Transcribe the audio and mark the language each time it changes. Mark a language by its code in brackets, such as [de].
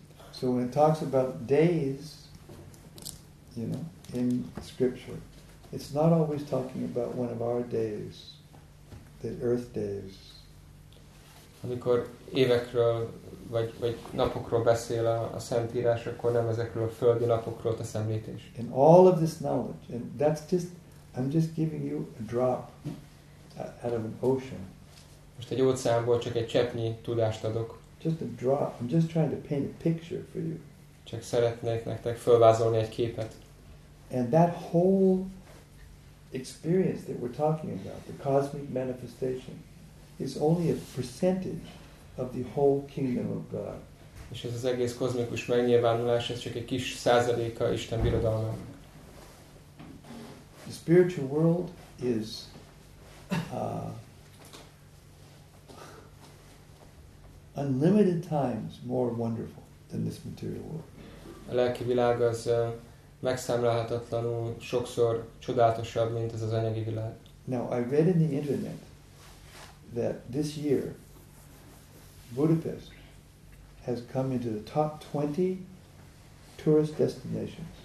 [en] So when it talks about days, you know, in scripture, it's not always talking about one of our days, the earth days. [hu] Amikor évekről vagy napokról beszél a Szentírás, akkor nem ezekről a földi napokról tesz említést. [en] In all of this knowledge, and that's just, I'm just giving you a drop out of an ocean. [hu] Most egy óceánból csak egy cseppnyi tudást adok. [en] Just a drop. I'm just trying to paint a picture for you. [hu] Csak szeretnék nektek fölvázolni egy képet. [en] And that whole experience that we're talking about, the cosmic manifestation, is only a percentage of the whole kingdom of God. [hu] És ez az egész kozmikus megnyilvánulás, ez csak egy kis százaléka Isten birodalmának. [en] The spiritual world is unlimited times more wonderful than this material world. [hu] A lelki világ az megszámlálhatatlanul sokszor csodálatosabb, mint ez az anyagi világ. [en] Now I read in the internet that this year Budapest has come into the top 20 tourist destinations.